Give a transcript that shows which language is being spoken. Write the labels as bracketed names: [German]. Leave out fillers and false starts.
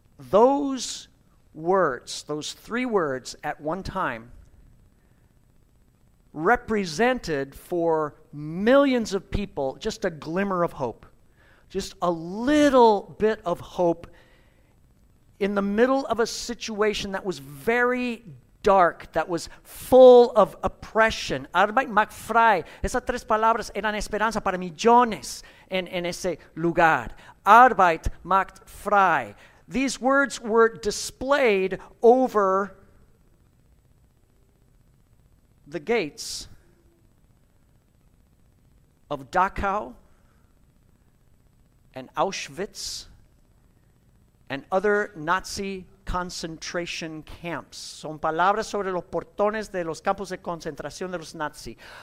[English] Those words, those three words at one time, represented for millions of people just a glimmer of hope, just a little bit of hope in the middle of a situation that was very dark, that was full of oppression. [German] Arbeit macht frei. [Spanish] Esas tres palabras eran esperanza para millones en ese lugar. [German] Arbeit macht frei. [English] These words were displayed over the gates of Dachau and Auschwitz and other Nazi concentration camps. [Spanish] Son palabras sobre los portones de los campos de concentración de los Nazi.